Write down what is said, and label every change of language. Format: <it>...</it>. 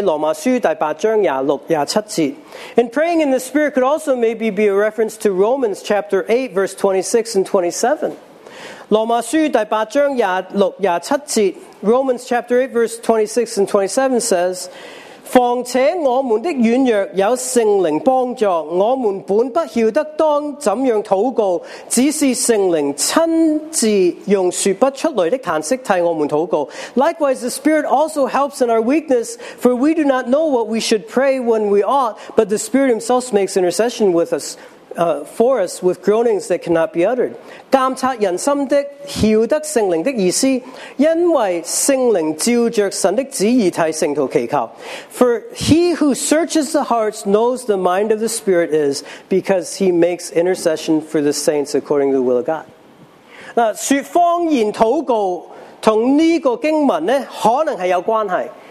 <zh>灵性祷告都可以在罗马书第8章26、27节。</zh> <en>And praying in the spirit could also maybe be a reference to Romans chapter 8, verse 26 and 27.</en> <zh>罗马书第8章26、27节,</zh> <en>Romans chapter 8, verse 26 and 27 says,</en> <zh>况且我们的软弱有圣灵帮助，我们本不晓得当怎样祷告，只是圣灵亲自用说不出来的叹息替我们祷告。</zh> <en>Likewise, the Spirit also helps in our weakness, for we do not know what we should pray when we ought, but the Spirit Himself makes intercession with us. For us with groanings that cannot be uttered.</en> <zh>鉴察人心的晓得圣灵的意思，因为圣灵照着神的旨意替圣徒祈求。</zh> <en>For he who searches the hearts knows the mind of the Spirit is, because he makes intercession for the saints according to the will of God.</en> <zh>说方言祷告同这个经文呢可能是有关系。</zh>